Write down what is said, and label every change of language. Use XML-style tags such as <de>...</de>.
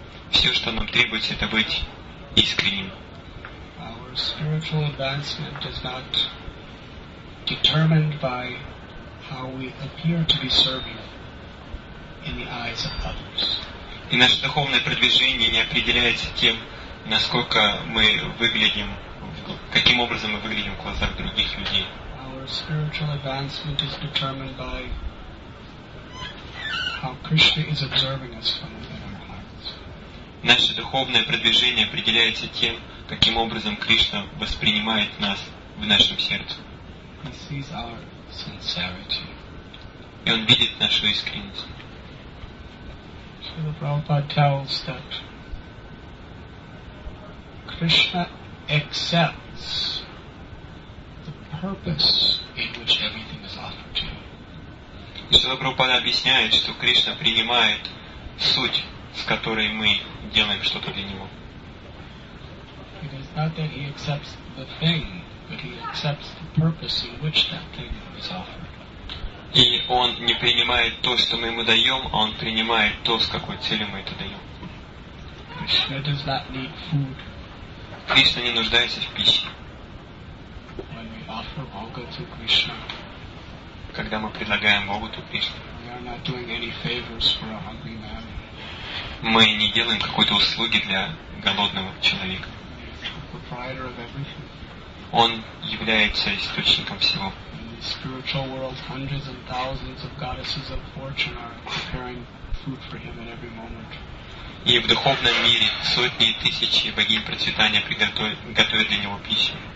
<ru>Все, что нам требуется, это быть искренним.</ru> <en>Our spiritual advancement is not determined by how we appear to be serving in the eyes of others.</en> <ru>И наше духовное продвижение не определяется тем, насколько мы выглядим, каким образом мы выглядим в глазах других людей.</ru> <en>Our spiritual advancement is determined by how Krishna is observing us from within our hearts.</en> <ru>Наше духовное продвижение определяется тем, каким образом Кришна воспринимает нас в нашем сердце.</ru> <en>He sees our sincerity.</en> <ru>И он видит нашу искренность.</ru> <en>Srila Prabhupada tells that Krishna accepts the purpose in which everything is offered to him.</en> <ru>Srila Prabhupada объясняет, что Кришна принимает суть, с которой мы делаем что-то для него.</ru> <en>It is not that he accepts the thing, but he accepts the purpose in which that thing is offered.</en> <ru>И он не принимает то, что мы ему даем, а он принимает то, с какой целью мы это даем.</ru> <en>Krishna does not need food.</en> <ru>Кришна не нуждается в пище.</ru> <en>When we offer bhoga to Krishna,</en> <ru>когда мы предлагаем Богу ту Кришну,</ru> <en>we are not doing any favors for a hungry man.</en> <ru>Мы не делаем какой-то услуги для голодного человека.</ru> <en>He is the proprietor of everything.</en> <ru>Он является источником всего.</ru> <en>In the spiritual world, hundreds and thousands of goddesses of fortune are preparing food for him at every moment.</en> <ru>И в духовном мире сотни и тысячи богинь процветания готовят для него пищу.</ru>